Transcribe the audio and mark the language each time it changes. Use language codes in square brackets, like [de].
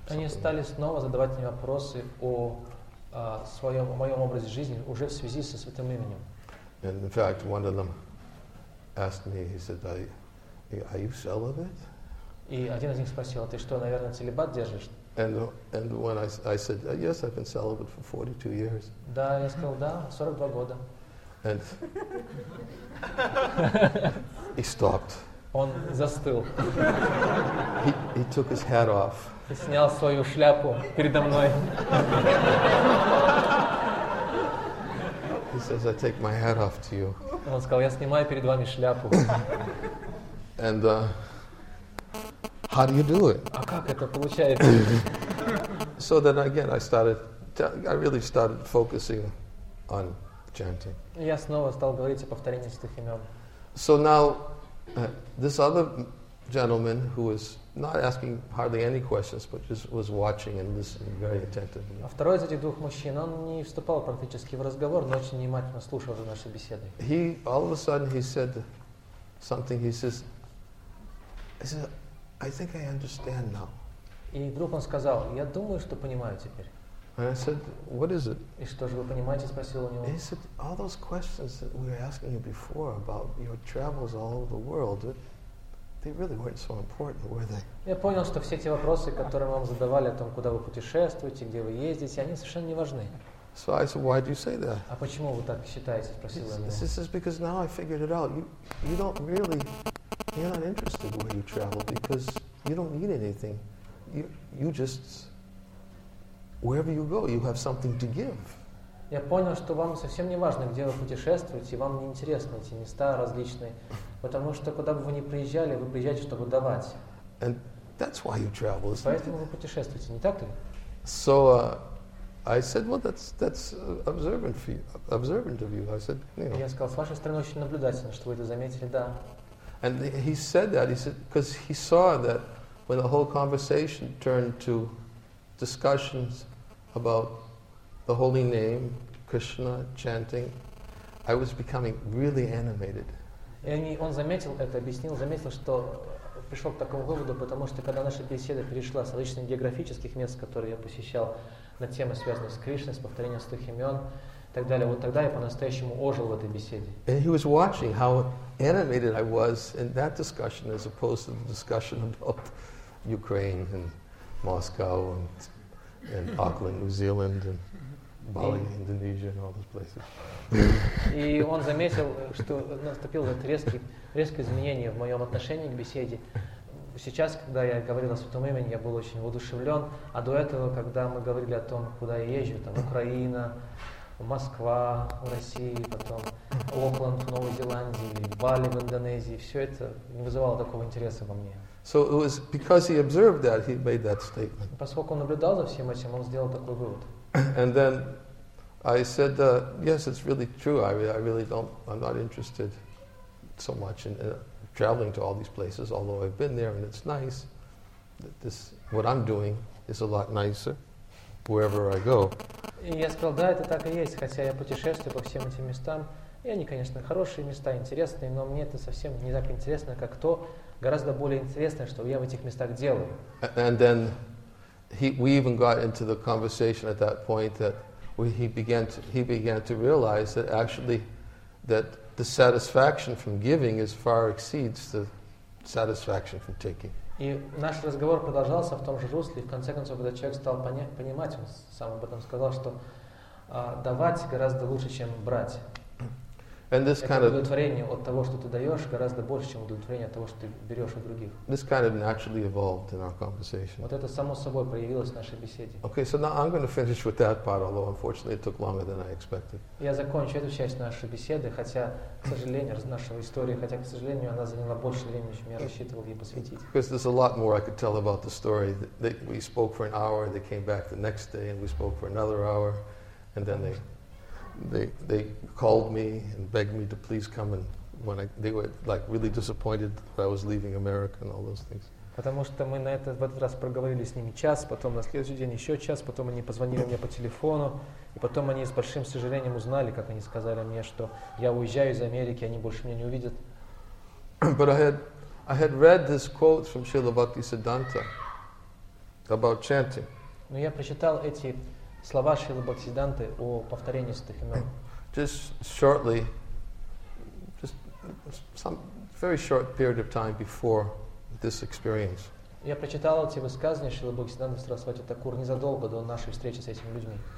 [ru] Они стали снова задавать мне вопросы о своем, о моем образе жизни уже в связи со Святым Именем. [en] And in fact, one of them asked me, he said, are you celibate? [ru] И один из них спросил, ты что, наверное, целибат держишь? [en] And when I said, yes, I've been celibate for 42 years. [ru] Да, я сказал, да, 42 года. [en] And he stopped. [ru] Он застыл. [en] He took his hat off. [ru] И снял свою шляпу передо мной. [en] He says, I take my hat off to you. [ru] Он сказал, я снимаю перед вами шляпу. [en] And how do you do it? [ru] А как это получается? [en] So then again, I really started focusing on chanting. [ru] Я снова стал говорить о повторении святых имен. [en] So now this other gentleman who was not asking hardly any questions, but just was watching and listening very attentively. [ru] А второй из этих двух мужчин, он не вступал практически в разговор, но очень внимательно слушал наши беседы. [en] He all of a sudden he said something. He says, I think I understand now. [ru] И вдруг он сказал, я думаю, что понимаю теперь. [en] And I said, what is it? [ru] И что же вы понимаете, спросил у него. [en] He said, all those questions that we were asking you before about your travels all over the world, they really weren't so important, were they? [ru] Я понял, что все эти вопросы, которые вам задавали о том, куда вы путешествуете, где вы ездите, они совершенно не важны. [en] So I said, why do you say that? [ru] А почему вы так считаете, спросил у него. [en] He says, because now I figured it out. You don't really, you're not interested where you travel because you don't need anything. You just... Wherever you go, you have something to give. [ru] Я понял, что вам совсем не важно, где вы путешествуете, вам не интересны эти места различные, потому что куда бы вы ни приезжали, вы приезжаете, чтобы давать. [en] And that's why you travel, isn't it? [ru] Поэтому вы путешествуете, не так ли? [en] So I said, well, that's observant of you. I said, you know. [ru] Я сказал, с вашей стороны очень наблюдательно, что вы это заметили, да. [en] And he said that, he said, because he saw that when the whole conversation turned to discussions about the holy name Krishna chanting, I was becoming really animated. [ru] Он заметил это, объяснил, заметил, что пришел к такому выводу, потому что когда наша беседа перешла с различных географических мест, которые я посещал, на темы, связанные с Кришной, с повторением святых имен, и так далее, вот тогда я по-настоящему ожил в этой беседе. [en] And he was watching how animated I was in that discussion, as opposed to the discussion about Ukraine and Moscow and Auckland, New Zealand, and Bali, Indonesia, and all those places. [ru] И он заметил, что наступил этот резкое изменение в моем отношении к беседе. Сейчас, когда я говорил о Святом Имени, я был очень воодушевлен, а до этого, когда мы говорили о том, куда я езжу, там Украина, Москва, в России, потом Окленд в Новой Зеландии, Бали в Индонезии, все это не вызывало такого интереса во мне. [en] So it was because he observed that he made that statement. [ru] Поскольку он наблюдал за всем этим, он сделал такой вывод. [en] And then I said, yes, it's really true. I'm not interested so much in traveling to all these places, although I've been there and it's nice. This what I'm doing is a lot nicer wherever I go. [ru] И я сказал, да, это так и есть, хотя я путешествую по всем этим местам. И они, конечно, хорошие места, интересные, но мне это совсем не так интересно, как то. Гораздо более интересно, что я в этих местах делаю. [en] And then we even got into the conversation at that point that he began to realize that actually that the satisfaction from giving is far exceeds the satisfaction from taking. [ru] И наш разговор продолжался в том же русле, и в конце концов, когда человек стал понимать, он сам об этом сказал, что давать гораздо лучше, чем брать. [en] And this kind [ru] of удовлетворение от того, что ты даешь, гораздо больше, чем удовлетворение от того, что ты берешь у других. [en] This kind of naturally evolved in our conversation. [ru] Вот это само собой проявилось в нашей беседе. [en] Okay, so now I'm going to finish with that part, although unfortunately it took longer than I expected. [ru] Я закончу эту часть нашей беседы, хотя, к сожалению, нашего истории, хотя, к сожалению, она заняла больше времени, чем я рассчитывал ей посвятить. [en] Because there's a lot more I could tell about the story. That we spoke for an hour, they came back the next day, and we spoke for another hour, and then they called me and begged me to please come, and when they were like really disappointed that I was leaving America and all those things. [ru] Потому что мы на этот в этот раз проговорили с ними час, потом на следующий день еще час, потом они позвонили мне по телефону, и потом они с большим сожалением узнали, как они сказали мне, что я уезжаю из Америки, они больше меня не увидят. [en] But I had read this quote from Srila Bhakti Siddhanta about chanting. [ru] Но я прочитал эти слова Шрилы Бхактисиддханты о повторении святых имен. [en] Just shortly, just some very short period of time before this experience. [ru] Я прочитал эти высказывания Шрилы Бхактисиддханты Сарасвати Такур незадолго до нашей встречи с этими людьми.